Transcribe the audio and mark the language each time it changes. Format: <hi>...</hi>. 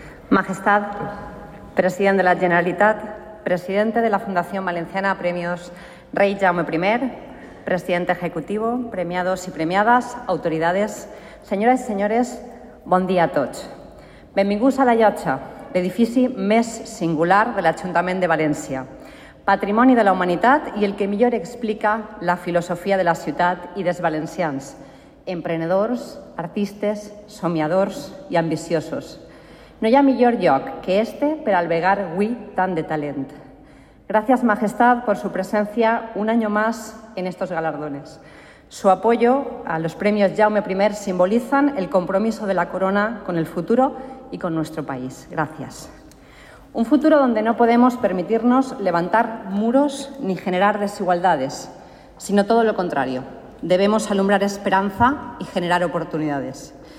<es>Majestad, presidente de la Generalitat, presidente de la Fundación Valenciana Premios Rey Jaume I, presidente ejecutivo, premiados y premiadas, autoridades, señoras y señores, buen día a todos.</es> <ca>Benvinguts a la Llotja, l'edifici més singular de l'Ajuntament de València, patrimoni de la humanitat i el que millor explica la filosofia de la ciutat i dels valencians, emprenedors, artistes, somiadors i ambiciosos. No hi ha millor lloc que este per albergar avui tant de talent. Gràcies, Majestat, per su presència un any més en estos galardones.</ca> <es>Su apoyo a los premios Jaume I simbolizan el compromiso de la corona con el futuro y con nuestro país. Gracias. Un futuro donde no podemos permitirnos levantar muros ni generar desigualdades, sino todo lo contrario. Debemos alumbrar esperanza y generar oportunidades.</es>